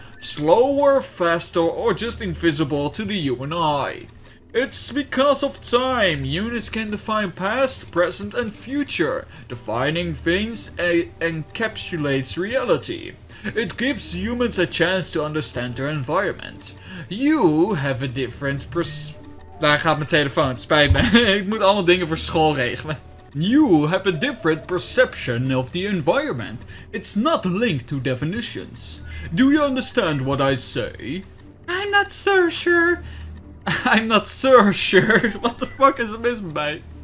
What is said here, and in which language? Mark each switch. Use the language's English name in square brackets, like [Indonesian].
[English] Slower, faster, or just invisible to the human eye. It's because of time. Units can define past, present, and future. Defining things encapsulates reality. It gives humans a chance to understand their environment. You have a different pers. [Dutch] Daar gaat mijn telefoon, spijt me. Ik moet allemaal dingen voor school regelen. [English] You have a different perception of the environment. It's not linked to definitions. Do you understand what I say? I'm not so sure. I'm not so sure. What the fuck is this, mate?